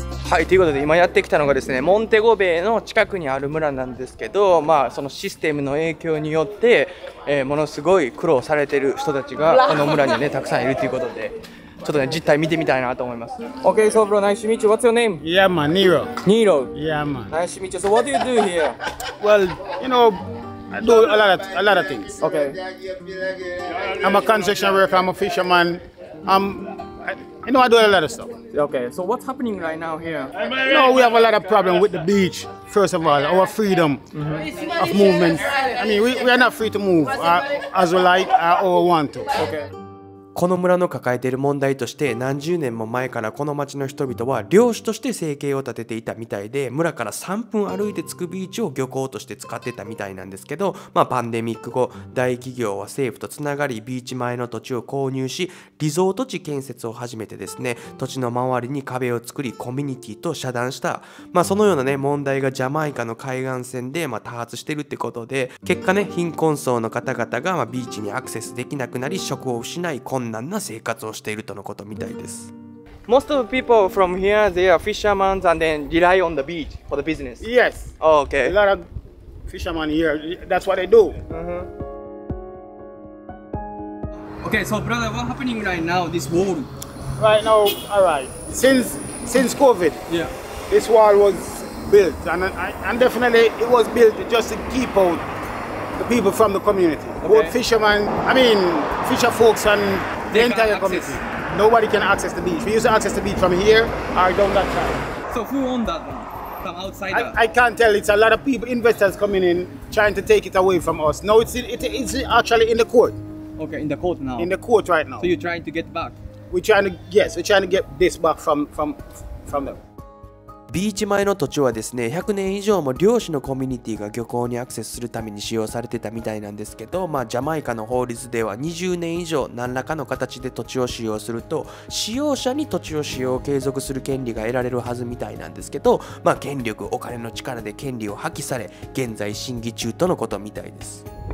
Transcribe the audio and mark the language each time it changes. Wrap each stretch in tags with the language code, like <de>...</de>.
<ja>はい、ということで今やってきたのがですね、モンテゴベイの近くにある村なんですけど、まあそのシステムの影響によって、ものすごい苦労されてる人たちがこの村にね、たくさんいるということで、ちょっとね、実態見てみたいなと思います。</ja> <en>Okay, so bro, nice to meet you. What's your name? Yeah, man, Nero. Nero. Yeah, man. Nice to meet you. So what do you do here? Well, you know,I do a lot of things. Okay. I'm a construction worker, I'm a fisherman. I do a lot of stuff. Okay, so what's happening right now here? No, we have a lot of problems with the beach, first of all, our freedom of movement. I mean, we are not free to move as we like or want to. Okay.</en> <ja>この村の抱えている問題として、何十年も前からこの町の人々は漁師として生計を立てていたみたいで、村から3分歩いて着くビーチを漁港として使ってたみたいなんですけど、まあパンデミック後大企業は政府とつながり、ビーチ前の土地を購入しリゾート地建設を始めてですね、土地の周りに壁を作りコミュニティと遮断した。まあそのようなね問題がジャマイカの海岸線で、まあ、多発してるってことで、結果ね貧困層の方々が、まあ、ビーチにアクセスできなくなり、職を失い困難な生活をしているとのことみたいです。</ja> <en>Most of the people from here, they are fishermen and then rely on the beach for the business. Yes. Oh, okay. A lot of fishermen here. That's what they do.、 Uh-huh. Okay, so brother, what's happening right now, this wall? Right now, all right. Since COVID,、 yeah. this wall was built. And definitely it was built just to keep out the people from the community. Okay. Both fishermen, I mean, fisher folks and the entire community. Nobody can access the beach. We used to access the beach from here or down that side. So who owned that one? From outside? I can't tell. It's a lot of people, investors coming in, trying to take it away from us. No, it's actually in the court. Okay, in the court now. In the court right now. So you're trying to get back? We're trying to get this back from them.</en> <ja>ビーチ前の土地はですね、100年以上も漁師のコミュニティが漁港にアクセスするために使用されてたみたいなんですけど、まあ、ジャマイカの法律では20年以上何らかの形で土地を使用すると、使用者に土地を使用を継続する権利が得られるはずみたいなんですけど、まあ、権力、お金の力で権利を破棄され、現在審議中とのことみたいです。</ja>